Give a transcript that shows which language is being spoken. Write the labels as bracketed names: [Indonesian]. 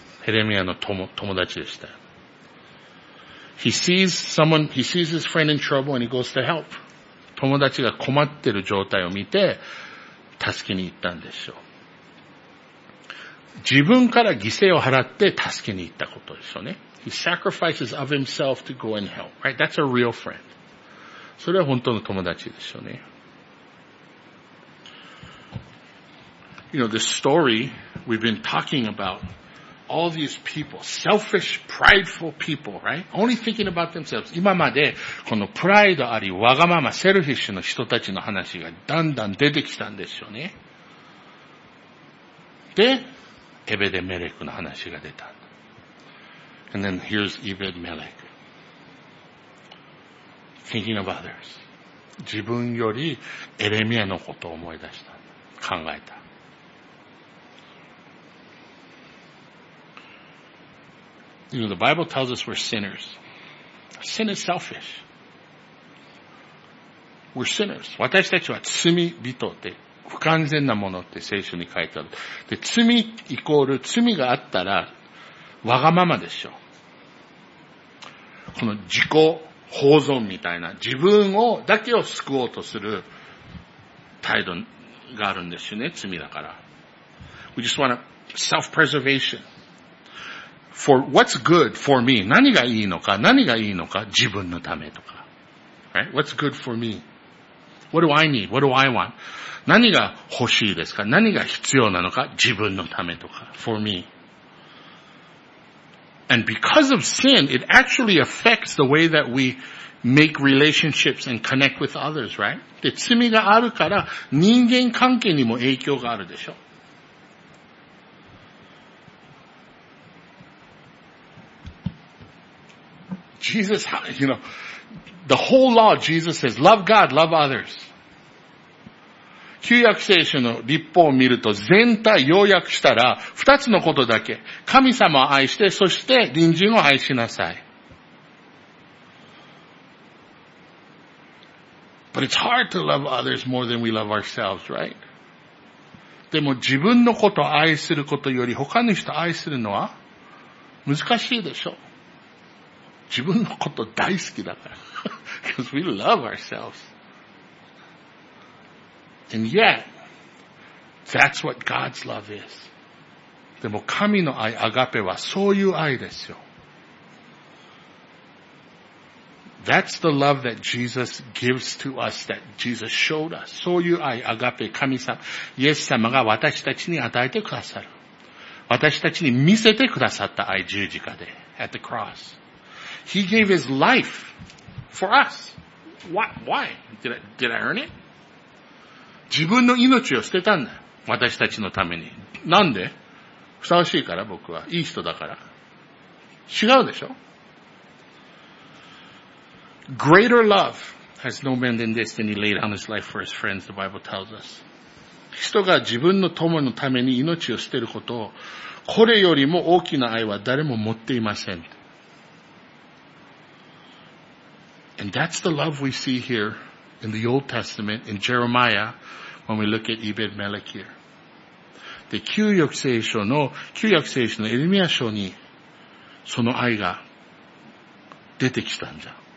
[Japanese] エレミアの友達でした。 [English] He sees his friend in trouble and he goes to help. [Japanese] 友達が困ってる状態を見て、助けに行ったんでしょう。自分から犠牲を払って助けに行ったことですよね。 [English] He sacrifices of himself to go and help, right? That's a real friend. [Japanese] それは本当の友達ですよね。 [English] You know, this story we've been talking about. All these people, selfish, prideful people, right? Only thinking about themselves. [Japanese] 今までこのプライドあり、わがまま、セルフィッシュの人たちの話がだんだん出てきたんですよね。で、エベデメレクの話が出た。 [English] And then here's Ebed Melech. Thinking of others. [Japanese] 自分よりエレミアのことを思い出した。考えた。 [English] You know, the Bible tells us we're sinners. Sin is selfish. We're sinners. [Japanese] 私たちは罪人って、不完全なものって聖書に書いてある。で、罪イコール罪があったら、わがままでしょ。この自己保存みたいな、自分を、だけを救おうとする態度があるんですよね、罪だから。 [English] We just want self-preservation. For what's good for me? [Japanese] 何がいいのか何がいいのか自分のためとか。 [English] Right? What's good for me? What do I need? What do I want? [Japanese] 何が欲しいですか何が必要なのか自分のためとか。 [English] For me. And because of sin, it actually affects the way that we make relationships and connect with others, right? [Japanese] で、罪があるから人間関係にも影響があるでしょ。 [English] Jesus, you know, the whole law, Jesus says, love God, love others. [Japanese] 旧約聖書の律法を見ると全体要約したら二つのことだけ。神様を愛して、そして隣人を愛しなさい。 [English] But it's hard to love others more than we love ourselves, right? [Japanese] でも自分のことを愛することより他の人を愛するのは難しいでしょ。自分のこと大好きだから。 [English] Because we love ourselves. And yet, that's what God's love is. [Japanese] でも神の愛、アガペはそういう愛ですよ。 [English] That's the love that Jesus gives to us, that Jesus showed us. [Japanese] そういう愛、アガペ、神様、イエス様が私たちに与えてくださる。私たちに見せてくださった愛、十字架で、 [English] at the cross. He gave his life for us. Why? Did I earn it? [Japanese] 自分の命を捨てたんだ。私たちのために。なんで？ふさわしいから僕は。いい人だから。違うでしょ？ [English] Greater love has no man than this than he laid down his life for his friends, the Bible tells us. [Japanese] 人が自分の友のために命を捨てることを、これよりも大きな愛は誰も持っていません。 [English] And that's the love we see here in the Old Testament, in Jeremiah, when we look at Ebed-Melech here. [Japanese] で、旧約聖書のエレミア書に、その愛が出てきたんじゃ。